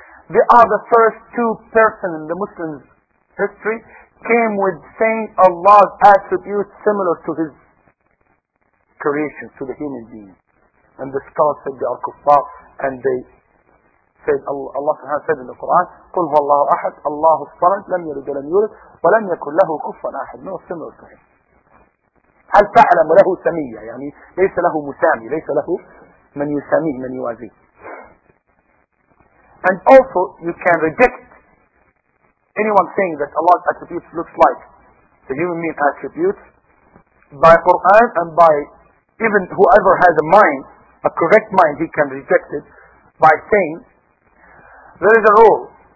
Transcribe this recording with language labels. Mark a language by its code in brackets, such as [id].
[en] They are the first two persons in the Muslim history came with saying Allah's attributes similar to his creation, to the human being. And the scholars said they are kuffar, and they said Allah subhanahu wa ta'ala in the Quran, [ar] قُلْ هُوَ اللَّهُ أَحَدْ اللَّهُ الصَّمَدْ لَمْ يَلِدْ وَلَمْ يُولَدْ وَلَمْ يَكُنْ لَهُ كُفُوًا أَحَدْ. [en] No, similar to him. [ar] هَلْ تَعْلَمُ لَهُ سَمِيَّةً, يعني ليس له مسامي, ليس له من يسامي, من يوازي. [en] And also you can reject anyone saying that Allah's attributes looks like the human being attributes by Quran and by even whoever has a mind, a correct mind, he can reject it by saying, there is a rule.